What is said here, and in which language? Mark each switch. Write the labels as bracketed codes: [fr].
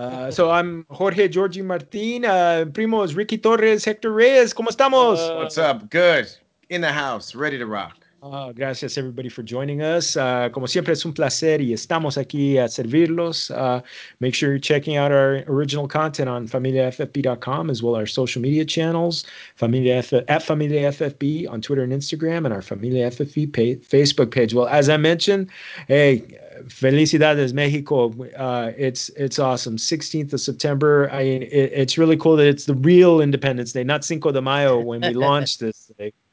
[en] So I'm Jorge Georgie Martín, primos Ricky Torres, Hector Reyes, [es] ¿cómo estamos? [en] What's up? Good. In the house, ready to rock. Gracias, everybody, for joining us. [es] Como siempre, es un placer y estamos aquí a servirlos. [en] Make sure you're checking out our original content on familiaffp.com, as well as our social media channels, @FamiliaFFP on Twitter and Instagram, and our Familia FFP Facebook page. Well, as I mentioned, hey, [es] felicidades, México. [en] It's awesome. 16th of September. It's really cool that it's the real Independence Day, not Cinco de Mayo when we launched this thing.